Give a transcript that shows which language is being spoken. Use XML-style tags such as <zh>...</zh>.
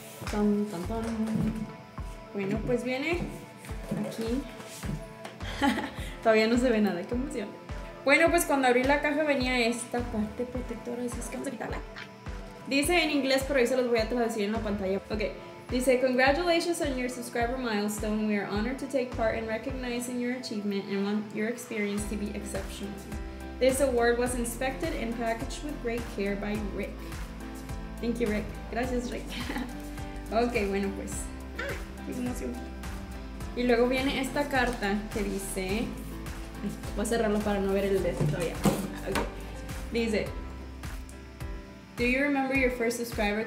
<es>Tan, tan, tan. Bueno, pues viene aquí. Todavía no se ve nada, qué emoción. Bueno, pues cuando abrí la caja venía esta parte protectora. Así es que vamos a quitarla. Dice en inglés, pero hoy se los voy a traducir en la pantalla. Ok, dice:</es> <en>"Congratulations on your subscriber milestone. We are honored to take part in recognizing your achievement and want your experience to be exceptional. This award was inspected and packaged with great care by Rick." Thank you, Rick.</en> <es>Gracias, Rick. Ok, bueno, pues. ¡Qué emoción! Y luego viene esta carta que dice... voy a cerrarlo para no ver el dedo todavía. Ok. Dice:</es> <en>"Do you remember your first subscriber?</en>